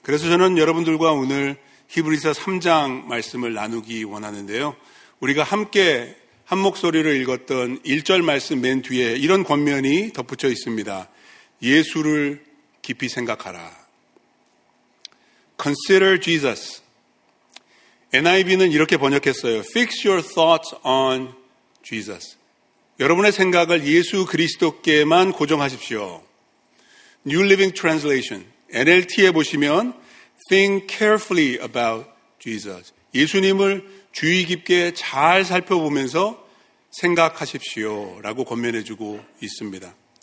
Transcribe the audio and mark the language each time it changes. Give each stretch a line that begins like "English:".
Korean: 그래서 저는 여러분들과 오늘 히브리서 3장 말씀을 나누기 원하는데요. 우리가 함께 한 목소리로 읽었던 1절 말씀 맨 뒤에 이런 권면이 덧붙여 있습니다. 예수를 깊이 생각하라.
English: Consider Jesus.
Korean: NIV는 이렇게 번역했어요.
English: Fix your thoughts on Jesus.
Korean: 여러분의 생각을 예수 그리스도께만 고정하십시오.
English: New Living Translation, NLT에
Korean: 보시면
English: Think carefully about Jesus.
Korean: 예수님을 주의 깊게 잘 살펴보면서 생각하십시오 라고 권면해주고 있습니다.